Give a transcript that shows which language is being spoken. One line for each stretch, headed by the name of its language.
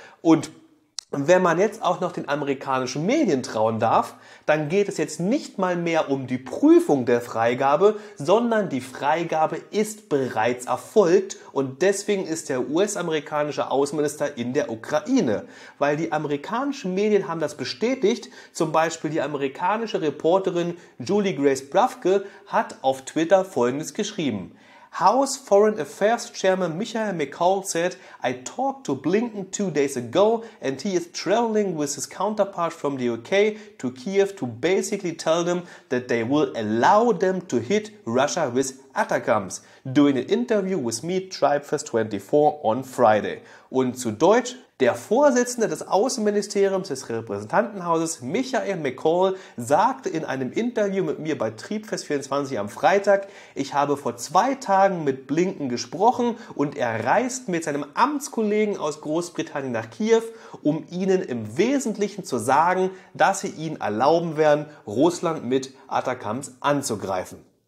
German: Und wenn man jetzt auch noch den amerikanischen Medien trauen darf, dann geht es jetzt nicht mal mehr um die Prüfung der Freigabe, sondern die Freigabe ist bereits erfolgt und deswegen ist der US-amerikanische Außenminister in der Ukraine. Weil die amerikanischen Medien haben das bestätigt, zum Beispiel die amerikanische Reporterin Julie Grace Brafke hat auf Twitter Folgendes geschrieben.
English: House Foreign Affairs Chairman Michael McCaul said, I talked to Blinken 2 days ago and he is traveling with his counterpart from the UK to Kiev to basically tell them that they will allow them to hit Russia with Atacams. During an interview with me, TribeFest24 on Friday.
German: Und zu Deutsch, der Vorsitzende des Außenministeriums des Repräsentantenhauses, Michael McCaul, sagte in einem Interview mit mir bei TribeFest24 am Freitag, ich habe vor 2 Tagen mit Blinken gesprochen und er reist mit seinem Amtskollegen aus Großbritannien nach Kiew, um ihnen im Wesentlichen zu sagen, dass sie ihnen erlauben werden, Russland mit Atacams anzugreifen.